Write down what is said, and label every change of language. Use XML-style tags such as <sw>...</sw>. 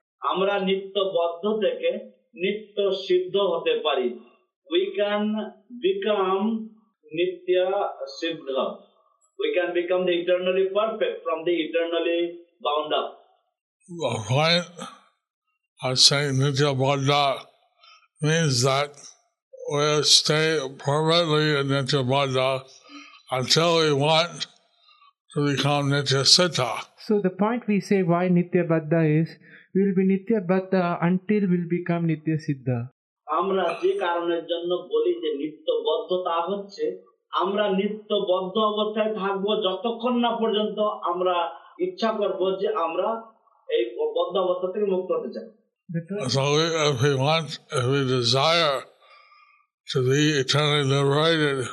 <bn>আমরা নিত্যবদ্ধ থেকে নিত্য সিদ্ধ হতে পারি</bn> <en>we can become</en> <bn>নিত্য সিদ্ধ.</bn> <en>We can become the eternally perfect from the eternally bound up. Right. I say nitya baddha means that we'll stay permanently in nitya baddha until we want to become nitya siddha. So the point we say why nitya baddha is, we'll be nitya baddha until we'll become nitya siddha.</en> <bn>Amra je karone janno boli je nitya baddha ta hocche. আমরা নিত্য বদ্ধ অবস্থায় থাকবো যতক্ষণ না পর্যন্ত আমরা ইচ্ছা করব যে আমরা এই বদ্ধ অবস্থা থেকে মুক্ত হতে চাই.</bn> <en>So if we want, if we desire to be eternally liberated,</en>